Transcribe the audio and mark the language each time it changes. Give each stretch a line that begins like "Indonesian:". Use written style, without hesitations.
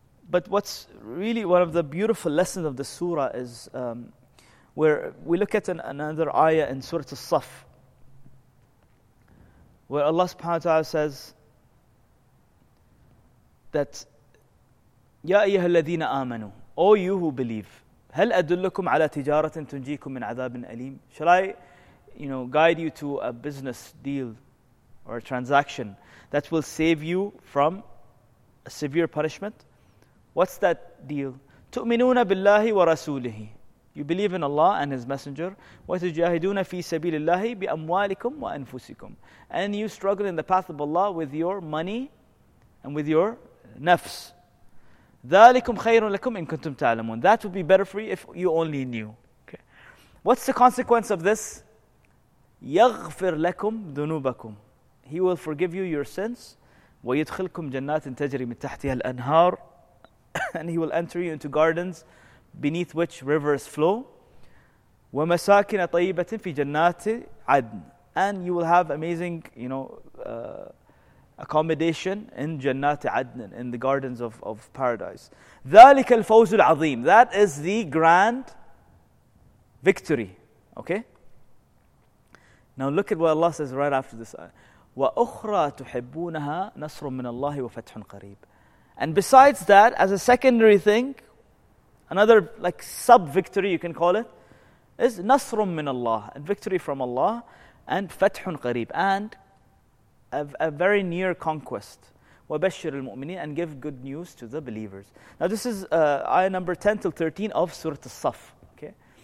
English: But what's really one of the beautiful lessons of the surah is where we look at another ayah in Surah As-Saff, where Allah subhanahu wa ta'ala says, that,
Arabic: يَا أَيَّهَا الَّذِينَ آمَنُوا,
English: O you who believe,
Arabic: هل أدلكم على تجارة تنجيكم من عذاب أليم?
English: Shall I, you know, guide you to a business deal or a transaction that will save you from a severe punishment? What's that deal?
Arabic: تؤمنون بالله ورسوله.
English: You believe in Allah and His Messenger.
Arabic: وتجاهدون في سبيل الله بأموالكم وأنفسكم.
English: And you struggle in the path of Allah with your money and with your nafs.
Arabic: ذلكم خير لكم إن كنتم تعلمون.
English: That would be better for you if you only knew. Okay. What's the consequence of this?
Arabic: يغفر لكم ذنوبكم.
English: He will forgive you your sins.
Arabic: ويدخلكم جنات تجري من تحتها الأنهار.
English: And He will enter you into gardens beneath which rivers flow.
Arabic: ومساكن طيبة في جنات عدن.
English: And you will have amazing, you know, accommodation in جنات عدن, in the gardens of paradise.
Arabic: ذلك الفوز العظيم.
English: That is the grand victory. Okay? Now look at what Allah says right after this.
Arabic: وأخرى تحبونها نصر من الله وفتح قريب.
English: And besides that, as a secondary thing, another like sub-victory, you can call it, is
Arabic: نصرٌ من الله,
English: a victory from Allah, and
Arabic: فتحٌ قريب,
English: and a very near conquest.
Arabic: وبشر المؤمنين,
English: and give good news to the believers. Now this is ayah number 10 till 13 of Surah As-Saff. Okay?